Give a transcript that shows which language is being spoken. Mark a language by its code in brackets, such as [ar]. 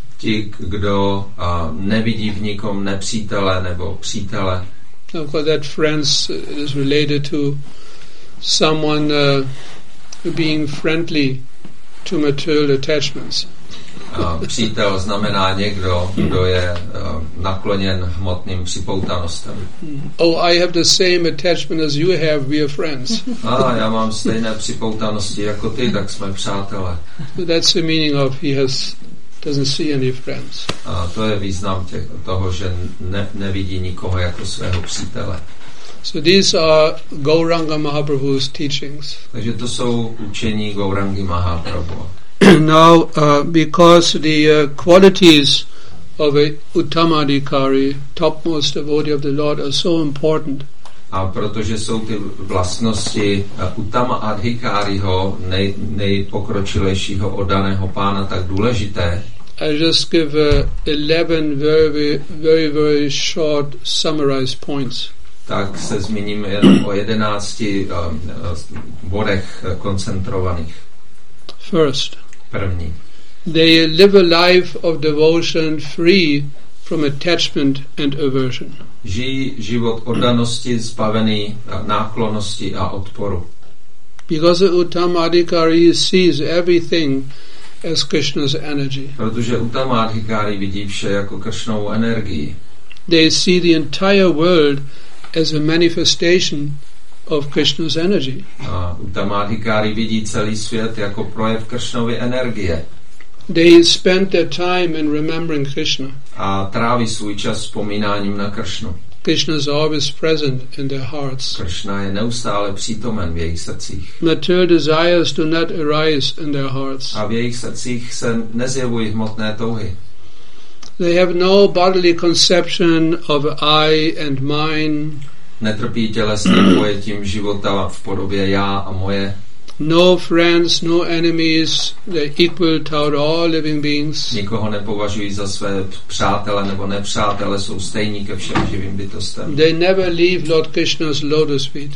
[cs] Ti, kdo nevidí v nikom nepřítele nebo přítele. [en] Of course, that friends is related to someone being friendly to material attachments. [cs] Přítel znamená někdo, kdo je nakloněn hmotným připoutanostem. [en] Oh, I have the same attachment as you have, we are friends. [cs] Já mám stejné připoutanosti jako ty, tak jsme přátelé. [en] That's the meaning of he has doesn't see any friends. [cs] A to je význam toho, že nevidí nikoho jako svého přítele. [en] So these are Gauranga Mahaprabhu's teachings. [cs] Takže to jsou učení Gaurangi Mahaprabhu. [en] Now, because the qualities of a Uttama Adhikari, topmost devotee of the Lord, are so important. [cs] A protože jsou ty vlastnosti Uttama Adhikariho, nejpokročilejšího oddaného pána, tak důležité. [en] I just give 11 very, very, very short summarized points. [cs] Tak se zmíním jen o 11 bodech koncentrovaných. [en] First. [cs] První. [en] They live a life of devotion free from attachment and aversion. [cs] Žijí život oddanosti zbavený náklonosti a odporu. [en] Because the Uttama Adhikari sees everything as Krishna's energy. [cs] Protože Uttama Adhikari vidí vše jako Kršnovu energii. [en] They see the entire world as a manifestation of Krishna's energy. [cs] A Uttama Adhikari vidí celý svět jako projev Kršnovy energie. [en] They spend their time in remembering Krishna. [cs] A tráví svůj čas vzpomínáním na Kršnu. [en] Krishna is always present in their hearts. [cs] Kršna je neustále přítomen v jejich srdcích. [en] Material desires do not arise in their hearts. [cs] A v jejich srdcích se nezjevují hmotné touhy. [en] They have no bodily conception of I and mine. [cs] Netrpí tělesným pojetím života v podobě já a moje. [en] No friends, no enemies, they're equal toward all living beings. [cs] Nikoho nepovažují za své přátele nebo nepřátele, jsou stejní ke všem živým bytostem. [en] They never leave Lord Krishna's lotus feet.